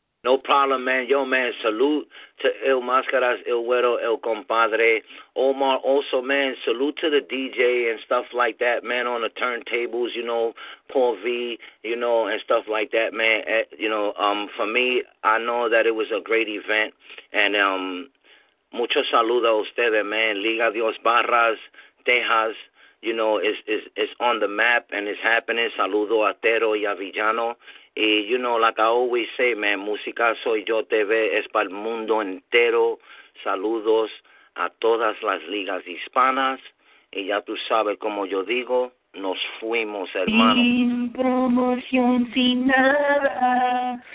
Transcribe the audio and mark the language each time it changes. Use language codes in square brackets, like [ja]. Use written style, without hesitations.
[en] No problem, man. Yo, man, salute to El Mascaras, El Güero, El Compadre. Omar, also, man, salute to the DJ and stuff like that, man, on the turntables, you know, Paul V, you know, and stuff like that, man. You know, for me, I know that it was a great event. [es] And mucho saludo a ustedes, man. [en] Liga Dios Barras, Texas, you know, is on the map and it's happening. [es] Saludo a Tero y a Villano. [en] And, you know, like I always say, man, [es] Música Soy Yo TV es para el mundo entero. Saludos a todas las ligas hispanas. Y ya tú sabes, como yo digo, nos fuimos, hermano. Sin promoción, sin nada.